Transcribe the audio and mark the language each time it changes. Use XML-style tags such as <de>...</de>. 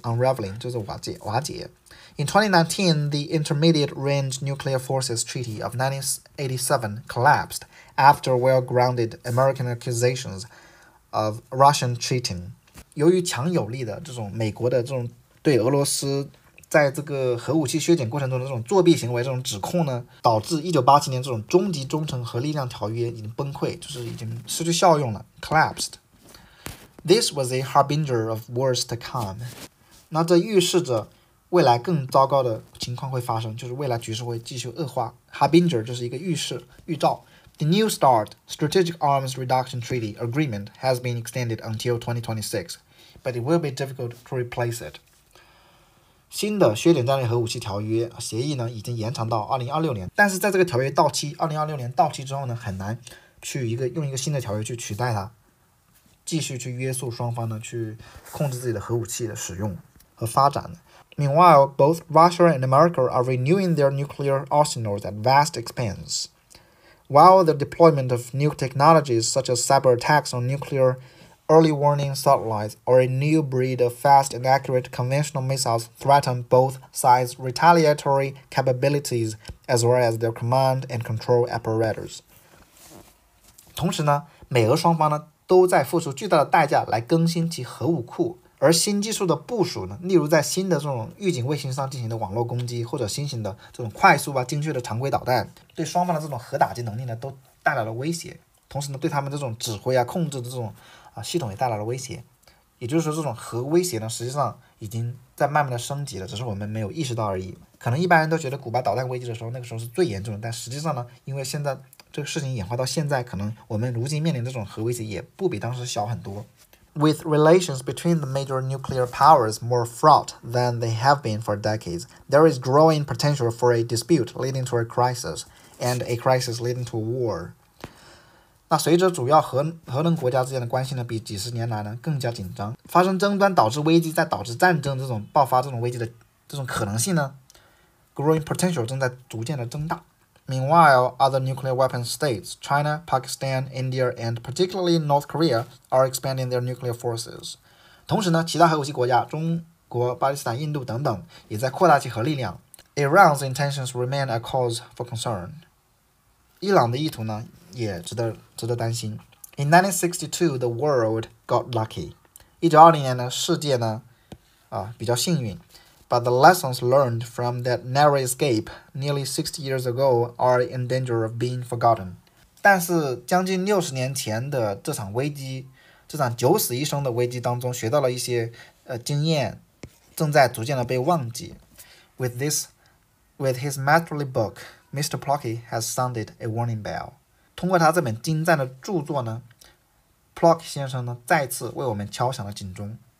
<en>Unraveling</en> <zh>就是瓦解。</zh> <en>In 2019, the Intermediate Range Nuclear Forces Treaty of 1987 collapsed after well-grounded American accusations of Russian cheating.</en> <zh>由于强有力的这种美国的这种对俄罗斯在这个核武器削减过程中的这种作弊行为，这种指控呢，导致1987年这种终极忠诚核力量条约已经崩溃，就是已经失去效用了 ，collapsed.</zh> <en>This was a harbinger of worse to come.</en> <zh>那这预示着未来更糟糕的情况会发生，就是未来局势会继续恶化。 Harbinger 就是一个预示、预兆。</zh> <en>The New START Strategic Arms Reduction Treaty Agreement has been extended until 2026, but it will be difficult to replace it.</en> <zh>新的削减战略核武器条约协议呢，已经延长到2026年，但是在这个条约到期，2026年到期之后呢，很难去用一个新的条约去取代它，继续去约束双方呢，去控制自己的核武器的使用和发展。</zh> <en>Meanwhile, both Russia and America are renewing their nuclear arsenals at vast expense. While the deployment of new technologies such as cyber attacks on nuclear early warning satellites or a new breed of fast and accurate conventional missiles threaten both sides' retaliatory capabilities as well as their command and control apparatus.</en> <zh>同时呢，美俄双方呢都在付出巨大的代价来更新其核武库，而新技术的部署呢，例如在新的这种预警卫星上进行的网络攻击，或者新型的这种快速啊精确的常规导弹，对双方的这种核打击能力呢都带来了威胁，同时呢对他们这种指挥啊控制的这种系统也带来了威胁，也就是说这种核威胁呢实际上已经在慢慢的升级了，只是我们没有意识到而已。可能一般人都觉得古巴导弹危机的时候那个时候是最严重的，但实际上呢因为现在这个事情演化到现在，可能我们如今面临这种核威胁也不比当时小很多。</zh> <en>With relations between the major nuclear powers more fraught than they have been for decades, there is growing potential for a dispute leading to a crisis, and a crisis leading to a war.</en> <zh>那随着主要核能国家之间的关系呢，比几十年来呢更加紧张，发生争端导致危机，再导致战争，这种爆发这种危机的这种可能性呢 ，</zh> <en>growing potential</en> <zh>正在逐渐的增大。</zh> <en>Meanwhile, other nuclear weapons states, China, Pakistan, India, and particularly North Korea, are expanding their nuclear forces.</en> <zh>同时呢，其他核武器国家，中国、巴基斯坦、印度等等，也在扩大其核力量。</zh> <en>Iran's intentions remain a cause for concern.</en> <zh>伊朗的意图呢，也值得担心。</zh> <en>In 1962, the world got lucky.</en> <zh>1920年呢，世界呢，比较幸运。</zh> <en>But the lessons learned from that narrow escape nearly 60 years ago are in danger of being forgotten.</en> <zh>但是将近六十年前的这场危机，这场九死一生的危机当中学到了一些经验，正在逐渐的被忘记。</zh> <en>With his masterly book, Mr. Plucky has sounded a warning bell.</en> <zh>通过他这本精湛的著作呢 ，Plucky 先生呢再次为我们敲响了警钟。</zh>